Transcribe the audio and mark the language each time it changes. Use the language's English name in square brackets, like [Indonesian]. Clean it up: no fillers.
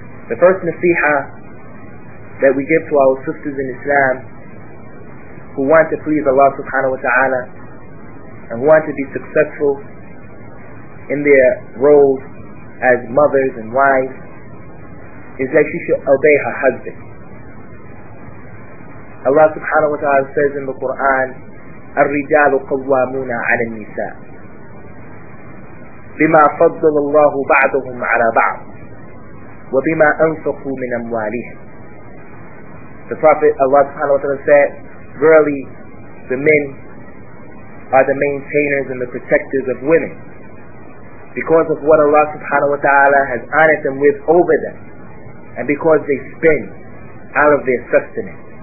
[English] The first nasiha that we give to our sisters in Islam who want to please Allah subhanahu wa ta'ala and who want to be successful in their roles as mothers and wives is that she should obey her husband. Allah subhanahu wa ta'ala says in the Quran, [Arabic] الرجال قوامون على النساء بما فضل الله بعضهم على بعض وبما أنفقوا من أموالهم. [English] The Prophet Allah subhanahu wa ta'ala said, verily, the men are the maintainers and the protectors of women because of what Allah subhanahu wa ta'ala has honored them with over them, and because they spend out of their sustenance.